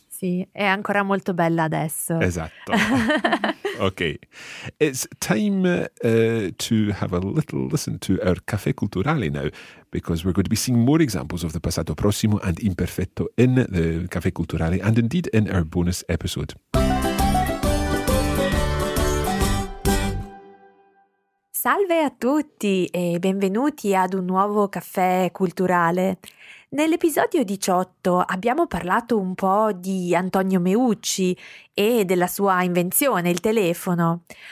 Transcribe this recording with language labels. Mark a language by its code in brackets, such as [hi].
[it] Sì, è ancora molto bella adesso. Esatto. Ok. [en] It's time to have a little listen to our Caffè Culturale now, because we're going to be seeing more examples of the passato prossimo and imperfetto in the Caffè Culturale and indeed in our bonus episode. [it] Salve a tutti e benvenuti ad un nuovo Caffè Culturale. Nell'episodio 18 abbiamo parlato un po' di Antonio Meucci e della sua invenzione, il telefono.